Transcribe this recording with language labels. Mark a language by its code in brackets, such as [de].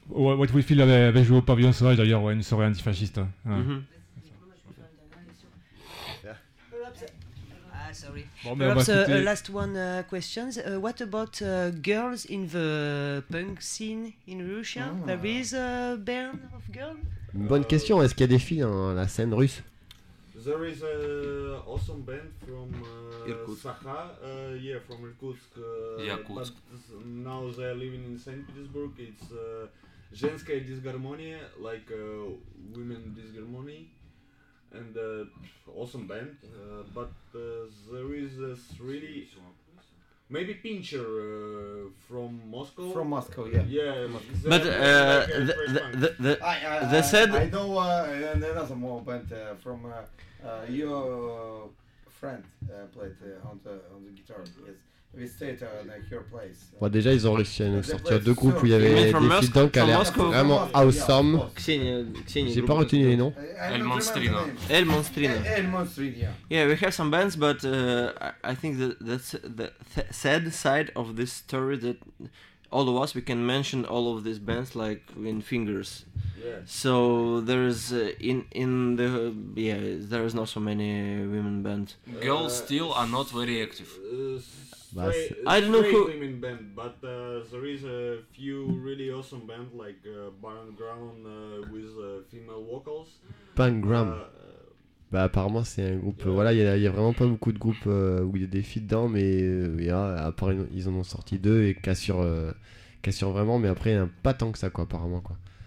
[fr] What We Feel avait joué au Pavillon Sauvage, d'ailleurs, une soirée antifasciste. [en] Sorry. Perhaps last question, what about girls in the punk scene in Russia? There is a band of girls? [fr] Bonne question, est-ce qu'il y a des filles dans la scène russe? [en] There is an awesome band from Sakha, from Irkutsk. Yakutsk. But now they are living in St. Petersburg. It's Zhenskaya Disgarmonia, like women disgarmonia. And awesome band, but there is this really maybe Pincher from Moscow. From Moscow, yeah. Yeah, but I know another more band from your friend played on the guitar. Yes. We stayed on her place. [fr] Bon, déjà ils ont réussi à nous sortir deux groupes où il y avait des filles dedans qui allaient vraiment awesome. J'ai pas retenu les noms. El Monstrino. [en] Yeah, we have some bands, but I think that's the sad side of this story that all of us, we can mention all of these bands like in fingers. Yes. So there's there is not so many women bands. Girls still are not very active. I don't know who. Women band, but there is a few really awesome band like Baron Ground with female vocals. [fr] Pangram. Bah apparemment c'est un groupe. Voilà, il y a vraiment pas beaucoup de groupes où il y a des filles dedans, mais apparemment ils en ont sorti deux et qu'assurent vraiment, mais après pas tant que ça quoi apparemment quoi.